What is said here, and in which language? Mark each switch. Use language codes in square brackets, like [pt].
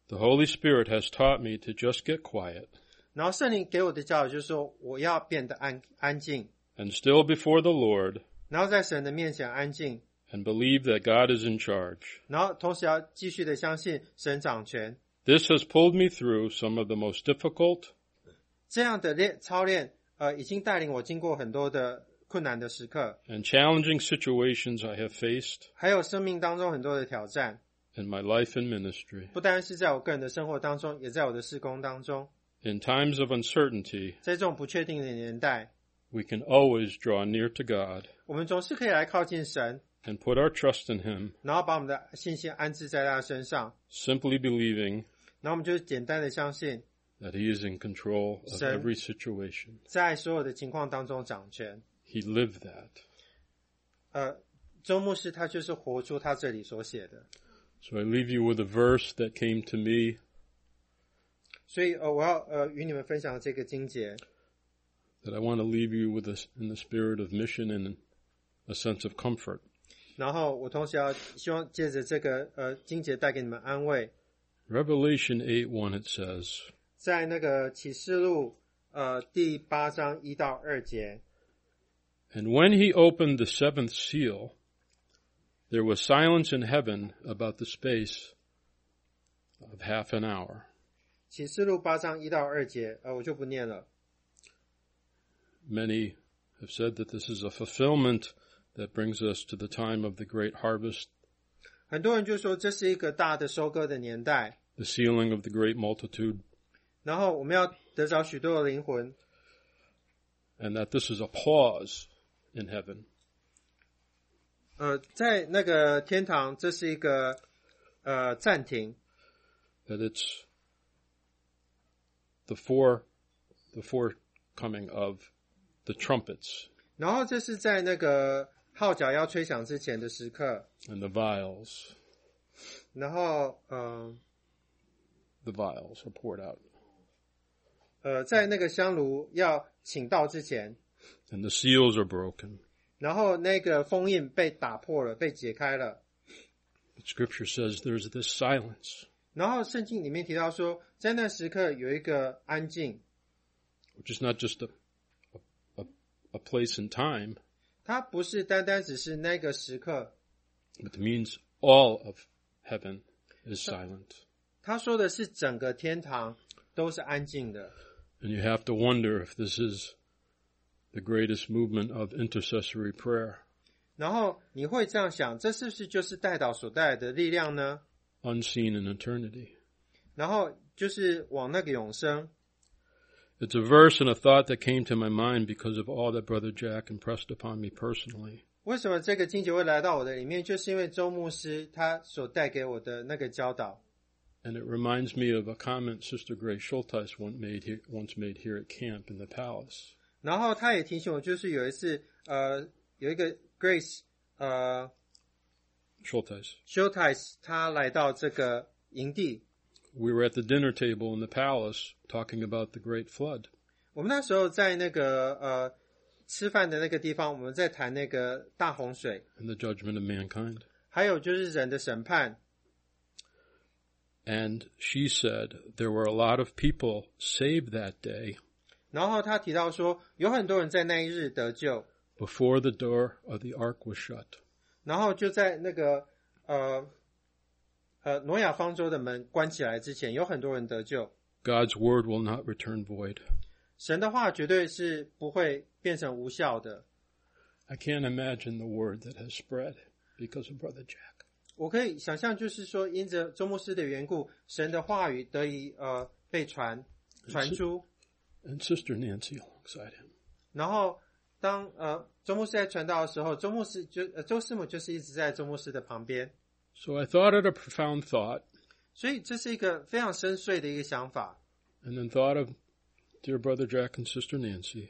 [en] the Holy Spirit has taught me to just get quiet. [zh] 然后圣灵给我的教导就是说我要变得安静, [en] and still before the Lord, [zh] 然后在神的面前安静, [en] and believe that God is in charge. [zh] 然后同时要继续的相信神掌权。 [en] This has pulled me through some of the most difficult, [zh] 这样的操练已经带领我经过很多的困难的时刻。 [en] And challenging situations I have faced. [zh] 还有生命当中很多的挑战。 [en] In my life and ministry. [zh] 不单是在我个人的生活当中，也在我的事工当中。 [en] In times of uncertainty. [zh] 在这种不确定的年代。 [en] We can always draw near to God. [zh] 我们总是可以来靠近神。 [en] And put our trust in Him. [zh] 然后把我们的信心安置在他身上。 [en] Simply believing. [zh] 然后我们就简单的相信。 [en] That he is in control of every situation. [zh] 在所有的情况当中掌权。 [en] He lived that. [zh] 周牧师他就是活出他这里所写的。 [en] So I leave you with a verse that came to me. [zh] 所以我要与你们分享这个经节。 [en] That I want to leave you with in the spirit of mission and a sense of comfort. [zh] 然后我同时要希望借着这个经节带给你们安慰。 [en] Revelation 8:1 it says, [zh] 在那个启示录第八章一到二节。 [en] And when he opened the seventh seal, there was silence in heaven about the space of half an hour. [zh] 启示录八章一到二节我就不念了。 [en] Many have said that this is a fulfillment that brings us to the time of the great harvest. [zh] 很多人就说这是一个大的收割的年代。 [en] The sealing of the great multitude. [zh] 然后我们要得着许多的灵魂。 [en] And that this is a pause in heaven. [zh] 在那个天堂这是一个暂停。 [en] That it's the forecoming of the trumpets. [zh] 然后这是在那个号角要吹响之前的时刻。 [en] And the vials. [zh] 然后 [en] the vials are poured out. [zh] 在那个香炉要倾倒之前。 [en] And the seals are broken. [zh] 然后那个封印被打破了，被解开了。 [en] But scripture says there's this silence. [zh] 然后圣经里面提到说，在那时刻有一个安静。 [en] Which is not just a place in time. [zh] 它不是单单只是那个时刻。 [en] But it means all of heaven is silent. [zh] 它说的是整个天堂。都是安静的。 [en] And you have to wonder if this is the greatest movement of intercessory prayer. [zh] 然后你会这样想，这是不是就是代祷所带来的力量呢？ [en] Unseen in eternity. [zh] 然后就是往那个永生。 [en] It's a verse and a thought that came to my mind because of all that Brother Jack impressed upon me personally. [zh] 为什么这个经节会来到我的里面，就是因为周牧师他所带给我的那个教导。 [en] And it reminds me of a comment Sister Grace Schulteis once made here at camp in the palace. [zh] 然后他也提醒我，就是有一次，有一个 Grace, Schulteis, 他来到这个营地。 [en] We were at the dinner table in the palace talking about the great flood. [zh] 我们那时候在那个吃饭的那个地方，我们在谈那个大洪水。 [en] And the judgment of mankind. [zh] 还有就是人的审判。 [en] And she said, there were a lot of people saved that day. [zh] 然后他提到说, 有很多人在那一日得救, [en] before the door of the ark was shut. [zh] 然后就在那个, 挪亚方舟的门关起来之前, 有很多人得救, [en] God's word will not return void. [zh] 神的话绝对是不会变成无效的。 [en] I can't imagine the word that has spread because of Brother Jack. [zh] 我可以想象就是说因着周牧师的缘故 神的话语得以, 被传, 传出, [en] and Sister Nancy alongside him. [zh] 然后当, 周牧师在传道的时候, 周牧师就, 周师母就是一直在周牧师的旁边。 [en] So I thought it a profound thought. [zh] 所以这是一个非常深邃的一个想法。 [en] And then thought of dear Brother Jack and Sister Nancy.